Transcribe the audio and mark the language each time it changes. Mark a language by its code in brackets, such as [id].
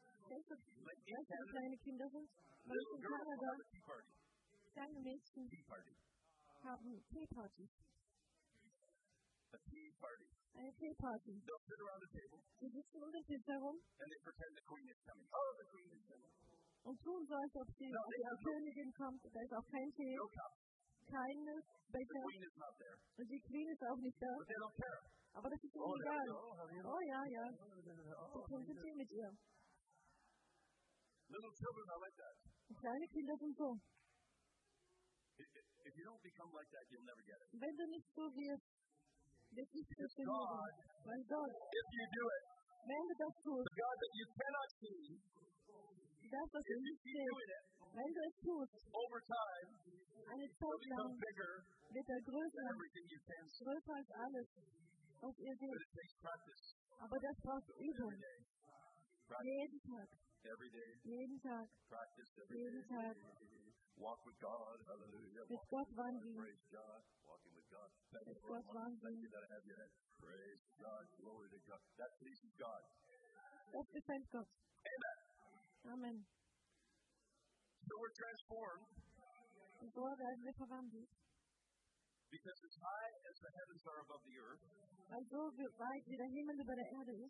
[de] Weißt du, kleine Kinder sind? [en] Little girl will have a tea party. [de] Kleine Mädchen haben Tee Party. [en] A tea party. [de] Eine Tee Party. [en] They'll sit around the table. [de] Sie sitzen um den Tisch herum. [en] And they pretend the queen is coming. Oh, the queen is coming. [de] Und tun so, als ob die, no, die Königin no. kommt. Da ist auch kein Tee. No kein Becher. [en] The queen is not there. [de] Und die Queen ist auch nicht da. [en] But they don't care. [de] Aber das ist ihnen oh, egal. Oh, oh ja, ja. Sie tun den Tee mit ihr. [en] Little children are like that. [de] Kleine Kinder sind so. [en] If you don't become like that, you'll never get it. [de] Wenn du nicht so wirst, wirst du nicht so werden. Weil Gott, [en] if you do it, [de] wenn du das tust, [en] the God that you cannot see, [de] das, was [en] if [de] du nicht sehen, wenn du es tust, [en] over time, [de] eine Zeit lang, [en] bigger, [de] wird er größer, [en] everything you can see. [de] Größer als alles, was ihr seht. [en] But it takes practice. [de] Aber das braucht so Übung. Jeden Tag. [en] Every day. [de] Jeden Tag. [en] Practice every [de] jeden [en] day. [de] Tag. [en] Walk with God. Hallelujah. [de] Mit Gott wandeln. [en] Praise God. Walking with God. [de] Mit Gott wandeln. [en] Thank you that I have your head. Praise God. Glory to God. That pleases God. [de] Es ist ein Gott. Amen. Amen. [en] So we're transformed. [de] Und so werden wir verwandelt. [en] Because as high as the heavens are above the earth. [de] Weil so weit wie der Himmel über der Erde ist.